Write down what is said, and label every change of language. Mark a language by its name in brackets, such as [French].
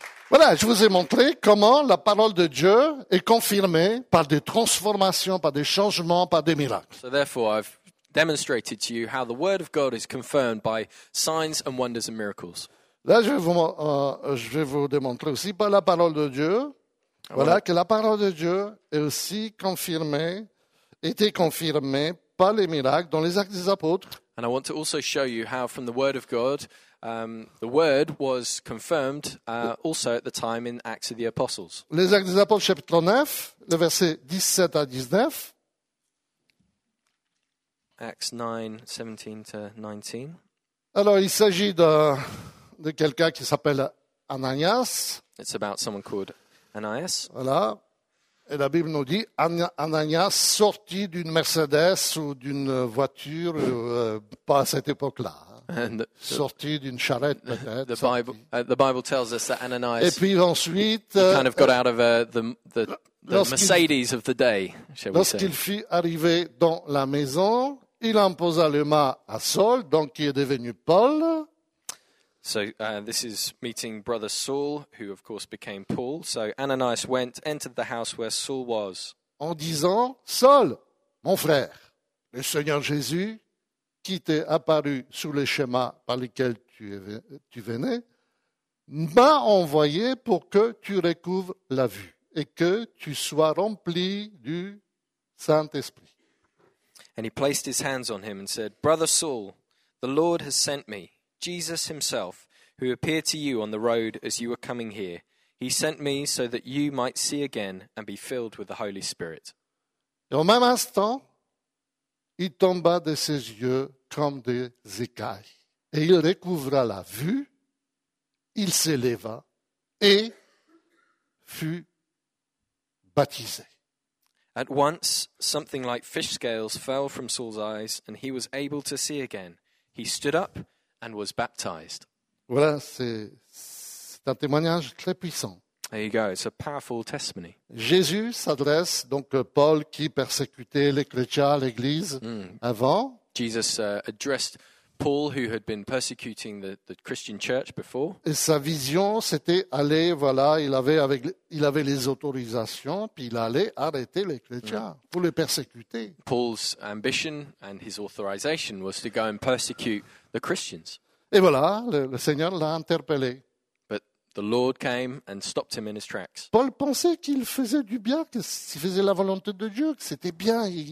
[French] Voilà, je vous ai montré comment la parole de Dieu est confirmée par des transformations, par des changements, par des miracles. [English] So therefore, I've demonstrated to you how the word of God is confirmed by signs and wonders and miracles. [French] Là, je vais vous démontrer aussi par la parole de Dieu. Voilà, que la parole de Dieu est aussi confirmée, était confirmée par les miracles dans les Actes des Apôtres. [English] And I want to also show you how from the word of God the word was confirmed also at the time in Acts of the Apostles. [French] Les Actes des Apôtres, chapitre 9, le verset 17 à 19. [English] Acts 9, 17 to 19. [French] Alors, il s'agit de quelqu'un qui s'appelle Ananias. [English] It's about someone called Ananias. [French] Voilà. Et la Bible nous dit, Ananias sortit d'une Mercedes ou d'une voiture, pas à cette époque-là. Sorti d'une charrette, peut-être. [English] The Bible tells us that Ananias. [French] Et puis ensuite, [English] he kind of got out of the Mercedes of the day, shall we say. [French] Lorsqu'il fut arrivé dans la maison, il imposa les mains à Saul, donc qui est devenu Paul. [English] So this is meeting brother Saul, who of course became Paul. So Ananias went, entered the house where Saul was. [French] En disant, Saul, mon frère, le Seigneur Jésus, qui t'est apparu sous le schéma par lequel tu venais, m'a envoyé pour que tu recouvres la vue et que tu sois rempli du Saint-Esprit. [English] And he placed his hands on him and said, Brother Saul, the Lord has sent me, Jesus himself, who appeared to you on the road as you were coming here. He sent me so that you might see again and be filled with the Holy Spirit. [French] Et au même instant, il tomba de ses yeux comme des écailles. Et il recouvra la vue, il s'éleva et fut baptisé. [English] At once, something like fish scales fell from Saul's eyes and he was able to see again. He stood up and was baptized. [French] Voilà, c'est un témoignage très puissant. [English] There you go, it's a powerful testimony. [French] Jésus s'adresse, donc Paul qui persécutait les chrétiens, l'église, avant. [English] Jesus addressed Paul who had been persecuting the Christian church before. [French] Et sa vision, c'était aller, voilà, il avait les autorisations, puis il allait arrêter les chrétiens pour les persécuter. [English] Paul's ambition and his authorization was to go and persecute the Christians. [French] Et voilà, le Seigneur l'a interpellé. [English] The Lord came and stopped him in his tracks. [French] Paul pensait qu'il faisait du bien, qu'il faisait la volonté de Dieu, que c'était bien.